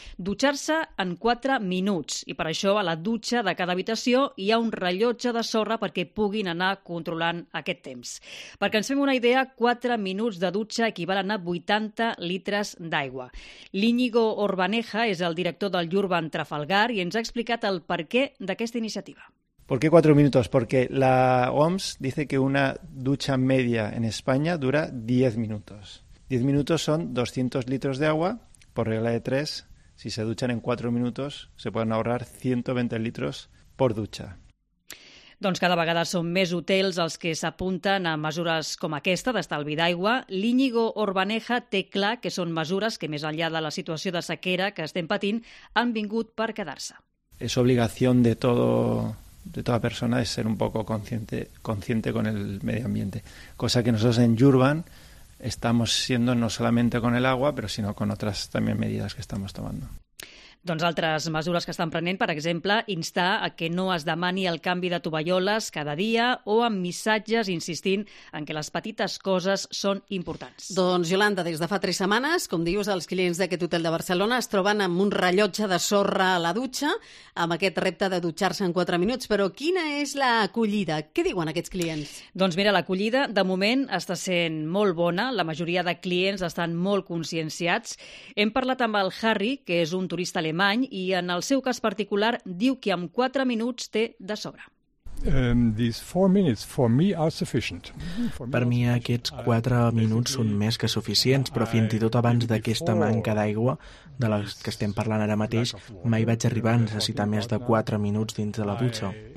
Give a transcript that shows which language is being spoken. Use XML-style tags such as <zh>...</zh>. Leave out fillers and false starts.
<ca>Dutxar-se en 4 minuts, i per això a la dutxa de cada habitació hi ha un rellotge de sorra perquè puguin anar controlant aquest temps. Perquè ens fem una idea, 4 minuts de dutxa equivalen a 80 litres d'aigua. L'Íñigo Orbaneja és el director del Urban Trafalgar i ens ha explicat el perquè d'aquesta iniciativa.</ca> <es>¿Por qué 4 minutos? Porque la OMS dice que una ducha media en España dura 10 minutos. 10 minutos son 200 litros de agua. Por regla de 3, si se duchan en 4 minutos, se pueden ahorrar 120 litros por ducha.</es> <ca>Doncs cada vegada són més hotels els que s'apunten a mesures com aquesta d'estalvi d'aigua. L'Íñigo Orbaneja té clar que són mesures que, més enllà de la situació de sequera que estem patint, han vingut per quedar-se.</ca> <es>Es obligación de todo... de toda persona es ser un poco consciente con el medio ambiente, cosa que nosotros en Urban estamos siendo no solamente con el agua, pero sino con otras también medidas que estamos tomando.</es> <ca>Doncs altres mesures que estan prenent, per exemple, instar a que no es demani el canvi de tovalloles cada dia o amb missatges insistint en que les petites coses són importants. Doncs, Yolanda, des de fa 3 setmanes, com dius, els clients d'aquest hotel de Barcelona es troben amb un rellotge de sorra a la dutxa, amb aquest repte de dutxar-se en 4 minuts. Però quina és l'acollida? Què diuen aquests clients? Doncs mira, l'acollida, de moment, està sent molt bona. La majoria de clients estan molt conscienciats. Hem parlat amb el Harry, que és un turista alemany, i en el seu cas particular diu que amb 4 minuts té de sobre.</ca> <en>These 4 minutes for me are sufficient.</en> <ca>Per mi aquests 4 minuts són més que suficients, però fins i tot abans d'aquesta manca d'aigua, de la que estem parlant ara mateix, mai vaig arribar a necessitar més de 4 minuts dins de la dutxa.</ca>